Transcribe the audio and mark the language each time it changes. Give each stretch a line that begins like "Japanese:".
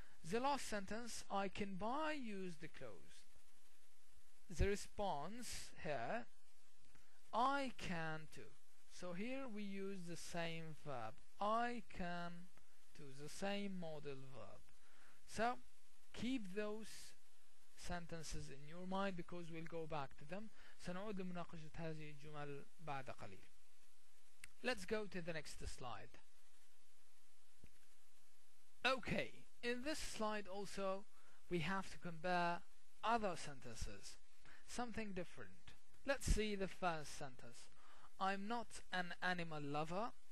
English: The last sentence, I can buy used clothes. The response here, I can too. So here we use the same verb, I can too, the same modal verb. So keep those sentences in your mind because we'll go back to them.
Arabic: سنعود لمناقشة هذه الجمل بعد قليل.
English: Let's go to the next slide. Okay, in this slide also we have to compare other sentences, something different. Let's see the first sentence. I'm not an animal lover.